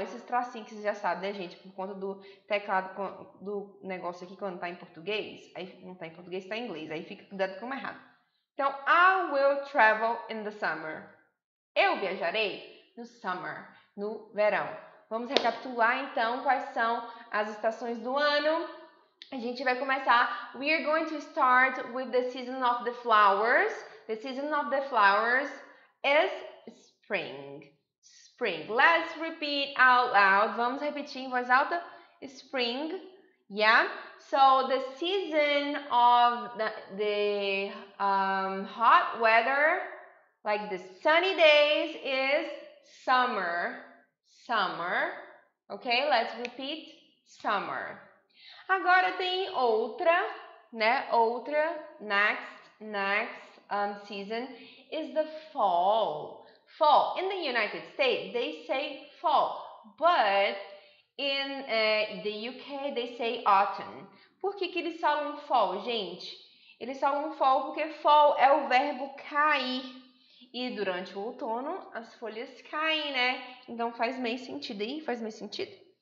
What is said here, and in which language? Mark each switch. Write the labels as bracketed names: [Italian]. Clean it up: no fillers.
[Portuguese] Esses tracinhos que vocês já sabem, né, gente? Por conta do teclado, do negócio aqui, quando tá em português. Aí não tá em português, tá em inglês. Aí fica tudo como errado. Então, [English] I will travel in the summer. [Portuguese] Eu viajarei no summer, no verão. Vamos recapitular, então, quais são as estações do ano. A gente vai começar. [English] We are going to start with the season of the flowers. The season of the flowers is spring. Spring. Let's repeat out loud. [Portuguese] Vamos repetir em voz alta. [English] Spring. Yeah. So the season of the hot weather, like the sunny days, is summer. Summer. Okay. Let's repeat. Summer. [Portuguese] Agora tem outra, né? Outra. Next. [English] Season is the fall. Fall. In the United States, they say fall, but in the UK, they say autumn. [Portuguese] Por que que eles falam fall, gente? Eles falam fall porque fall é o verbo cair. E durante o outono, as folhas caem, né? Então faz meio sentido aí, faz meio sentido.